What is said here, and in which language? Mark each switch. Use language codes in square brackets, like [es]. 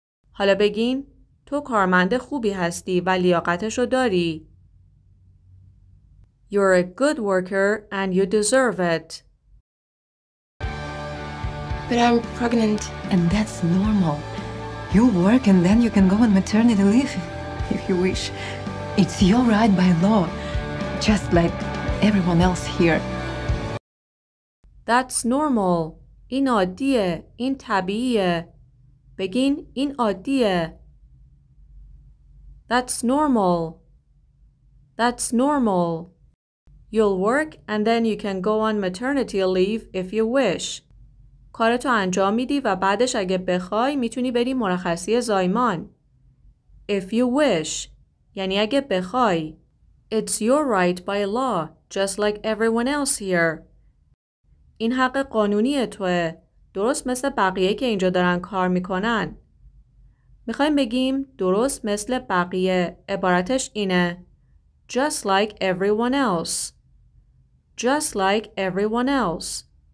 [fa] حالا بگین تو کارمند خوبی هستی و لیاقتشو داری. [en] You're a good worker and you deserve it. But I'm pregnant. And that's normal. You work and then you can go on maternity leave if you wish. It's your right by law, just like everyone else here. That's normal. [fa] این عادیه. این طبیعیه. بگین این عادیه. [en] That's normal. You'll work and then you can go on maternity leave if you wish. [fa] کارتو انجام میدی و بعدش اگه بخوای میتونی بری مرخصی زایمان. [en] If you wish. [fa] یعنی اگه بخوای. [en] It's your right by law, just like everyone else here. [fa] این حق قانونی توه. درست مثل بقیه که اینجا دارن کار میکنن. میخوایم بگیم درست مثل بقیه. عبارتش اینه: [en] Just like everyone else. Just like everyone else.